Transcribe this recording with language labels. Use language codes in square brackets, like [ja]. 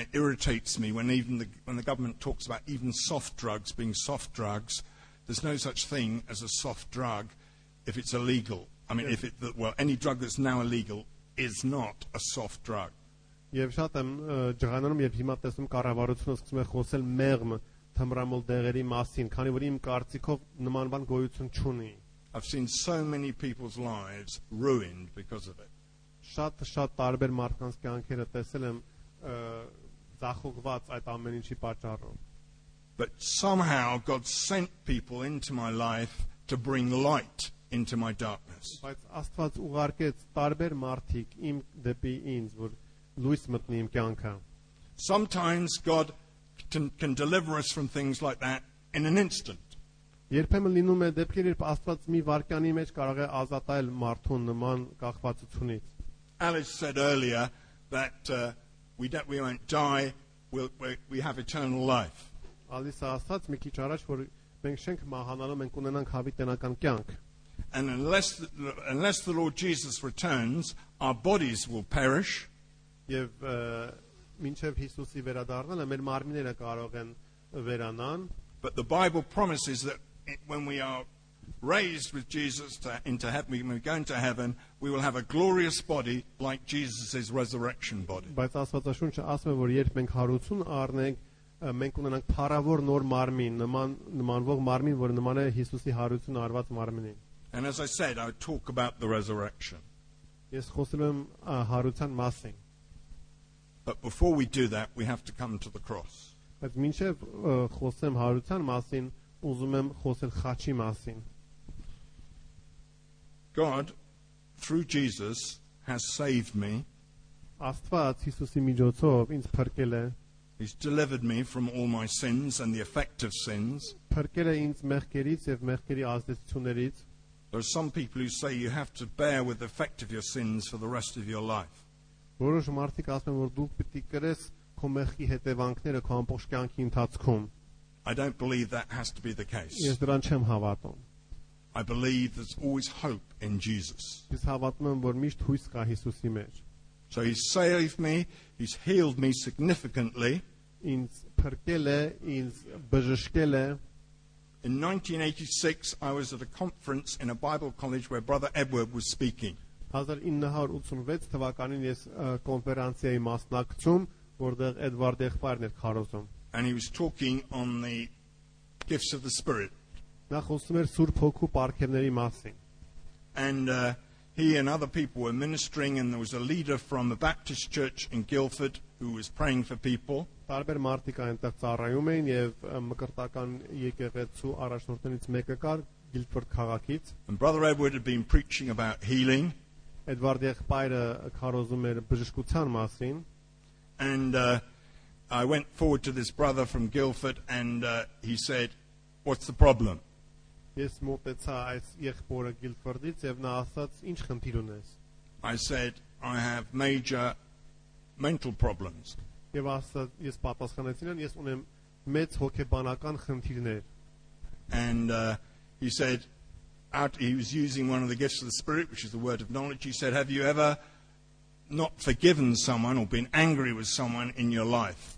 [en] it irritates me when the government talks about even soft drugs being soft drugs. There's no such thing as a soft drug if it's illegal. I mean, any drug that's now illegal is not a soft drug. And [hy] թմրամոլ դեղերի մասին, քանի որ իմ կարծիքով նման բան գոյություն չունի. [en] I've seen so many people's lives ruined because of it. [hy] Շատ շատ տարբեր մարդկանց կյանքերը տեսել եմ ծախուղված այդ ամեն ինչի պատճառով. [en] But somehow God sent people into my life to bring light into my darkness. [hy] Բայց Աստված ուղարկեց տարբեր մարդիկ իմ դեպի ինձ, որ լույս մտնի իմ կյանքը. [en] Sometimes God can deliver us from things like that in an instant. [hy] Երբեմն լինում է դեպքեր, երբ Աստված մի վարկյանի մեջ կարող է ազատել մարդուն նման կախվածությունից. [en] Alice said earlier that we won't die, we have eternal life. [hy] Alice ասաց մի քիչ առաջ, որ մենք չենք մահանալու, մենք ունենանք հավիտենական կյանք. [en] And unless the Lord Jesus returns, our bodies will perish. [hy] Եվ մինչև Հիսուսի վերադառնալը մեր մարմինները կարող են վերանան. [en] But the Bible promises that when we are raised with Jesus into heaven, when we go into heaven, we will have a glorious body like Jesus's resurrection body. [hy] Բայց Աստվածաշունչը ասում է, որ երբ մենք հարություն առնենք, մենք ունենանք փառավոր նոր մարմին, նմանվող մարմին, որը նման է Հիսուսի հարություն առված մարմինին. [en] And as I said, I'll talk about the resurrection. [hy] Ես խոսելու եմ հարության մասին. [en] But before we do that, we have to come to the cross. [hy] Բայց մինչև խոսեմ հարության մասին, ուզում եմ խոսել խաչի մասին. [en] God, through Jesus, has saved me. [hy] Աստված Հիսուսի միջոցով ինձ փրկել է. [en] He's delivered me from all my sins and the effect of sins. [hy] Փրկել է ինձ մեղքերից եւ մեղքերի ազդեցություններից. [en] There are some people who say you have to bear with the effect of your sins for the rest of your life. [hy] Որոշ մարդիկ ասում են, որ դու պիտի կրես քո մեղքի հետևանքները քո ամբողջ կյանքի ընթացքում։ [en] I don't believe that has to be the case. [hy] Ես դրան չեմ հավատում։ [en] I believe there's always hope in Jesus. [hy] Ես հավատում եմ, որ միշտ հույս կա Հիսուսի մեջ։ [en] So he saved me, he's healed me significantly. [hy] Ինձ փրկել է, ինձ բժշկել է։ [en] In 1986 I was at a conference in a Bible college where Brother Edward was speaking. [hy] 1986 թվականին ես կոնֆերանսիայի մասնակցում, որտեղ Էդվարդ Եղբայրն էր խարոզում։ [en] And he was talking on the gifts of the Spirit. [hy] Նա խոսում էր Սուրբ Հոգու պարգևների մասին։ [en] And he and other people were ministering and there was a leader from the Baptist church in Guildford who was praying for people. [hy] Տարբեր մարդիկ այնտեղ ծառայում էին եւ մկրտական եկեղեցու առաջնորդներից մեկը կար Guildford քաղաքից։ [en] And Brother Edward had been preaching about healing. [hy] Edward Եղբայրը քարոզում էր բժշկության մասին. [en] And I went forward to this brother from Guildford and he said, "What's the problem?" [hy] Ես մտածա այս եղբորը Guildford-ից եւ նա ասաց, "Ինչ խնդիր ունես?" [en] I said, "I have major mental problems." [hy] Եվ ասաց, ես պատասխանեցի նրան, "Ես ունեմ մեծ հոգեբանական խնդիրներ." [en] And he said, he was using one of the gifts of the Spirit, which is the word of knowledge. He said, "Have you ever not forgiven someone or been angry with someone in your life?